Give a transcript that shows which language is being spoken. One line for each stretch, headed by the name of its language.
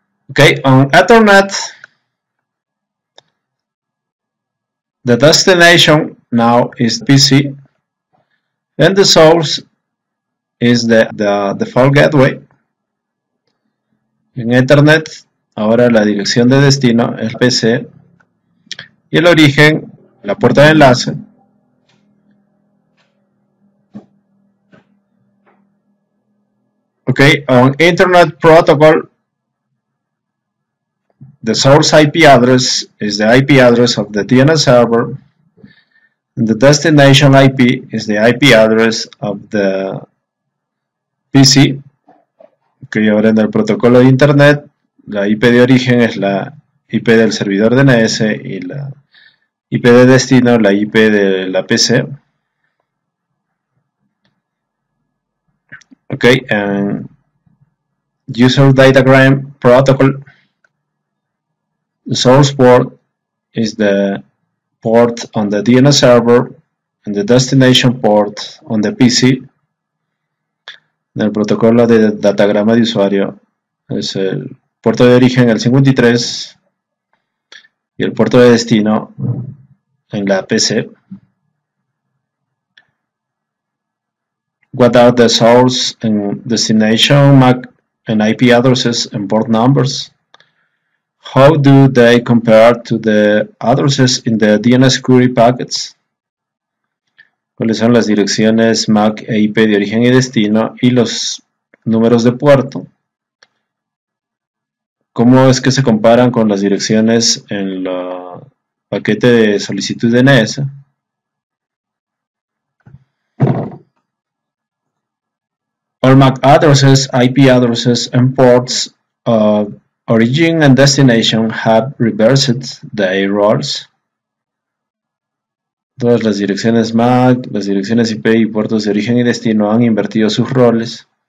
English: Okay, on Ethernet, the destination now is PC, and the source is the default gateway.
Spanish: En Ethernet, ahora la dirección de destino es el PC, y el origen, la puerta de enlace.
English: Okay, on Internet Protocol, the source IP address is the IP address of the DNS server. And the destination IP is the IP address of the PC.
Spanish: Okay, ahora en el protocolo de Internet, la IP de origen es la IP del servidor DNS y la IP de destino, la IP de la PC.
English: Okay, and user datagram protocol. The source port is the port on the DNS server and the destination port on the PC.
Spanish: El protocolo de datagrama de usuario es el puerto de origen, el 53, y el puerto de destino en la PC.
English: What are the source and destination MAC and IP addresses and port numbers? How do they compare to the addresses in the DNS query packets?
Spanish: ¿Cuáles son las direcciones MAC e IP de origen y destino y los números de puerto? ¿Cómo es que se comparan con las direcciones en el paquete de solicitud de DNS?
English: All MAC addresses, IP addresses and ports of origin and destination have reversed their roles.
Spanish: Todas las direcciones MAC, las direcciones IP y puertos de origen y destino han invertido sus roles.